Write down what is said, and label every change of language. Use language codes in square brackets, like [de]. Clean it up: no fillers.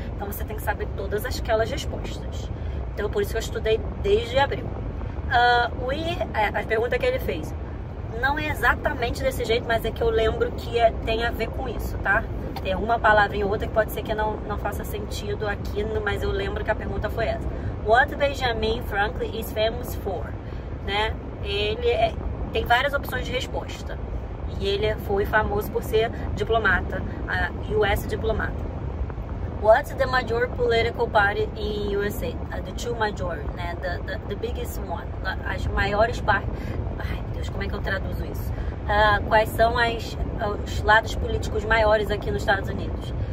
[pt] Então você tem que saber todas aquelas respostas. Então, por isso que eu estudei desde abril. A pergunta que ele fez não é exatamente desse jeito, mas é que eu lembro que tem a ver com isso, tá? ter uma palavra em outra que pode ser que não faça sentido aqui, mas eu lembro que a pergunta foi essa. [en] What Benjamin Franklin is famous for? [pt] Né? Ele é, tem várias opções de resposta. E ele foi famoso por ser diplomata, US diplomata. [en] What's the major political party in USA? The two major, né? The biggest one. [pt] As maiores partes. Ai, meu Deus, como é que eu traduzo isso? Quais são os lados políticos maiores aqui nos Estados Unidos?